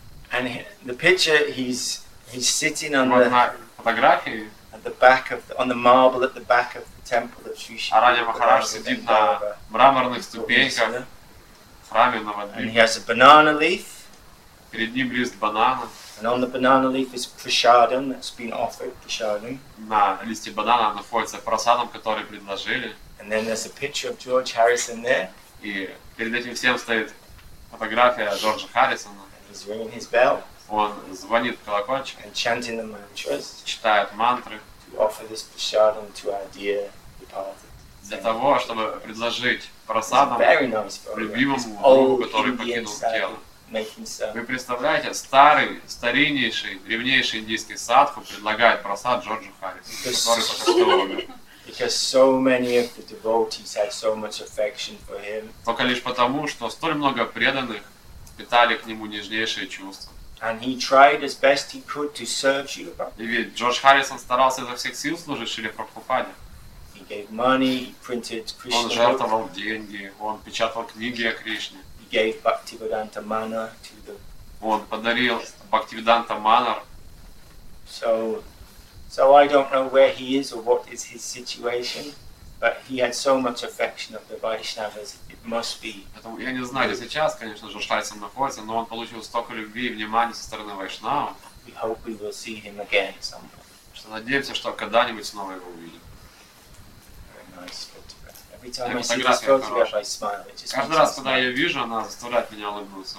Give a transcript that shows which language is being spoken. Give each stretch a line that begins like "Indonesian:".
English: And the picture, he's sitting on on the marble at the back of the temple of Sri Shiva.
Russian: Аранья Махарадж сидит на мраморных ступеньках в храме Навадвипа.
English: And he has a banana leaf.
Russian: Перед ним лист банана.
English: And on the banana leaf is prasadam that's been offered, prasadam.
Russian: На листе банана находится просадом, который предложили.
English: And then there's a picture of George Harrison there.
Russian: И перед этим всем стоит фотография Джорджа Харрисона.
English: He's ringing his bell.
Russian: Он звонит колокольчик.
English: And chanting the mantras.
Russian: Читает мантры.
English: To offer this prasadam to our dear departed.
Russian: Для того, чтобы предложить прасадам любимому другу, который покинул тело. Вы представляете, старейнейший, древнейший индийский садху предлагает прасад Джорджу Харрисону, который только что умер.
English: Because so many of the devotees had so much affection for him.
Russian: Только лишь потому, что столь много преданных питали к нему нежнейшие чувства.
English: And he tried as best he could to serve Srila Prabhupada.
Russian: И ведь Джордж Харрисон старался изо всех сил служить Шриле Прабхупаде.
English: He gave money, he printed Krishna.
Russian: Он жертвовал деньги, он печатал книги о Кришне.
English: He gave Bhaktivedanta Manor to the.
Russian: Он подарил Бхактивиданта Манор.
English: So I don't know where he is or what is his situation. But he had so much affection of the Vaishnavas, it must be.
Russian: Поэтому я не знаю, где сейчас, конечно, Джордж Харрисон находится, но он получил столько любви и внимания со стороны Вайшнава.
English: We hope we will see him again somewhere.
Russian: Что надеемся, что когда-нибудь снова его увидим.
English: Very nice photograph.
Russian: Каждый раз, когда я вижу, она заставляет меня улыбнуться.